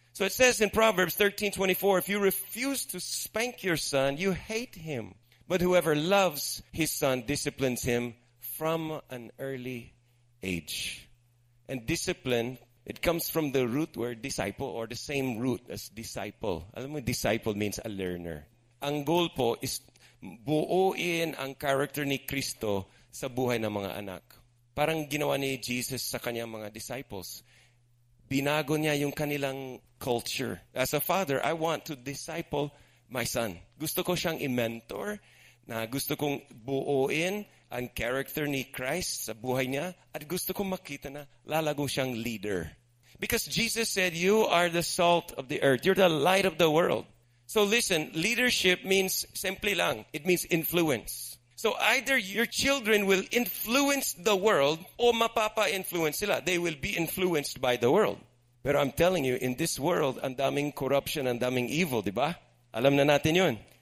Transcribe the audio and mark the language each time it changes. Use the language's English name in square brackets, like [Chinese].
[English] So it says in Proverbs 13:24, if you refuse to spank your son, you hate him. But whoever loves his son disciplines him from an early age. And discipline, it comes from the root word disciple, or the same root as disciple. [Filipino] Alam mo, [English] disciple means a learner. [Filipino] Ang goal po is buuin ang character ni Kristo sa buhay ng mga anak. Parang ginawa ni Jesus sa kanyang mga disciples. Binago niya yung kanilang culture. [English] As a father, I want to disciple my son. [Filipino] Gusto ko siyang i-mentor, na gusto kong buuin ang character ni Christ sa buhay niya, at gusto kong makita na lalago siyang leader. [English] Because Jesus said, you are the salt of the earth. You're the light of the world. So listen, leadership means simply lang. It means influence. So either your children will influence the world [Filipino] o mapapa-influence sila. [English] They will be influenced by the world. Pero I'm telling you, in this world, [Filipino] ang daming corruption, ang daming evil, di ba? Alam na natin yun.